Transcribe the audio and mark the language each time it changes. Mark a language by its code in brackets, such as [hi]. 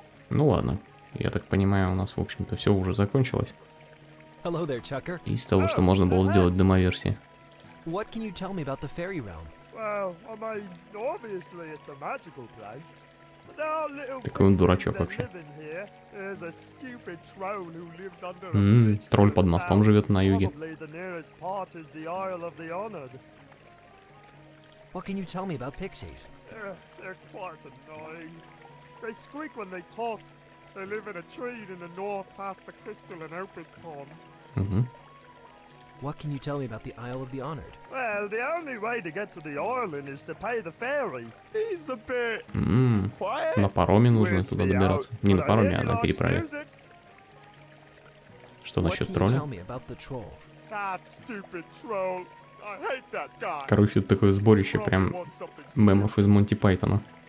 [ru] Ну ладно, я так понимаю, у нас, в общем-то, все уже закончилось. [en] Hello there, Chucker. [ru] Из того, что можно было сделать в демо-версии. [en] What can you tell me about the fairy realm? Well, I mean, obviously it's a magical place. But our little [ru] такой он дурачок вообще. [en] There's a stupid troll who lives under [ru] тролль под мостом живет на юге. [en] Probably the nearest part is the Isle of the Honored. What can you tell me about pixies? They're quite annoying. They squeak when they talk. They live in a tree in the north past the Crystal and Opus Pond. What can you tell me about the Isle of the Honored? Well, the only way to get to the island is to pay the ferry. He's a bit... Quiet. [ru] На пароме нужно туда добираться. Не на пароме, а на переправе. Что насчет тролля? [en] That stupid troll. I hate that guy. [ru] Короче, тут такое сборище прям мемов из Монти Пайтона.